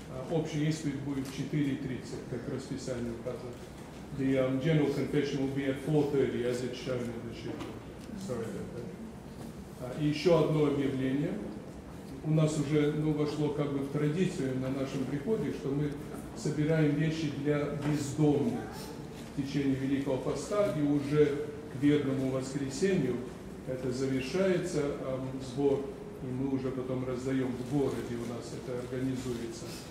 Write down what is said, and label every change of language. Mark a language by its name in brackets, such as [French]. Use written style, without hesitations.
[Russian] Общий исповед будет в 4:30, как расписание указано. [English] The general confession will be at 4:30, as it's shown in the schedule. Sorry about that. [Russian] И еще одно объявление. У нас уже вошло как бы в традицию на нашем приходе, что мы собираем вещи для бездомных в течение Великого Поста, и уже к Верному Воскресенью это завершается, сбор, и мы уже потом раздаем в городе, у нас это организуется.